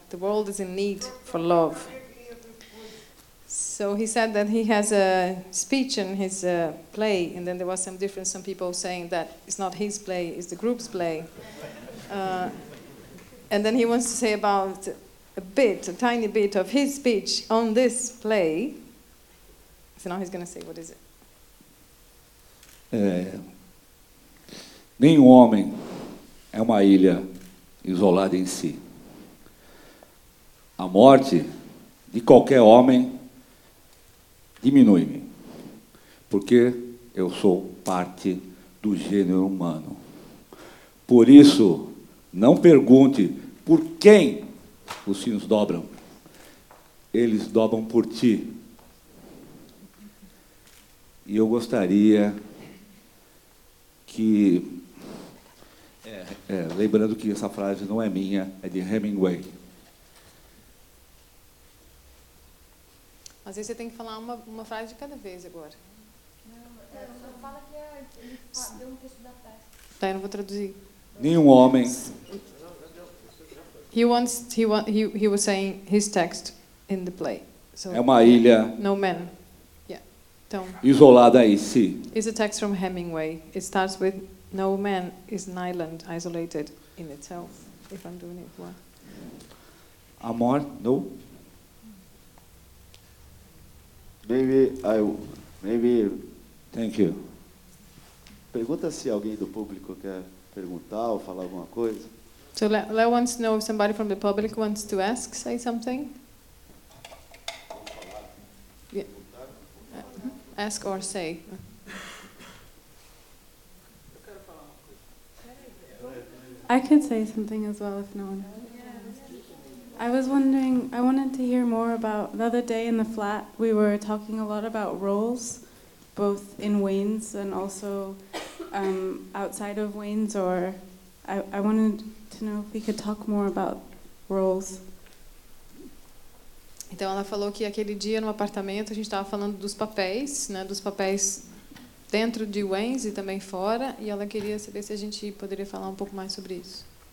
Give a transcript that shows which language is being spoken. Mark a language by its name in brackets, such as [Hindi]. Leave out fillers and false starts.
[English] The world is in need for love. So he said that he has a speech in his play, and then there was some difference, some people saying that it's not his play, it's the group's play. And then he wants to say about a bit, a tiny bit of his speech on this play. So now he's going to say, what is it? [Portuguese] Nenhum homem é uma ilha isolada em si. A morte de qualquer homem diminui-me, porque eu sou parte do gênero humano. Por isso, não pergunte por quem os sinos dobram. Eles dobram por ti. E eu gostaria que... lembrando que essa frase não é minha, é de Hemingway. Às vezes você tem que falar uma frase de cada vez agora. Não, só fala que ele deu um texto da peça. Tá, eu não vou traduzir. Nenhum homem. [English] He was saying his text in the play. So, [Portuguese] é uma ilha. [English] No man. Yeah. Então, [Portuguese] isolada em si. [English] It's a text from Hemingway. It starts with no man is an island isolated in itself. If I'm doing it well. [Portuguese] Amor, no. [English] Maybe. Thank you. [Portuguese] Pergunta se alguém do público quer perguntar ou falar alguma coisa. [English] So Leo wants to know if somebody from the public wants to ask, say something. Yeah. Ask or say. I can say something as well if no one. I was wondering, I wanted to hear more about, the other day in the flat, we were talking a lot about roles, both in Wayne's and also outside of Wayne's, or I wanted to know if we could talk more about roles. [Portuguese] Então ela falou que aquele dia no apartamento a gente estava falando dos papéis, né, dos papéis dentro de Wayne's e também fora, e ela queria saber se a gente poderia falar um pouco mais sobre isso.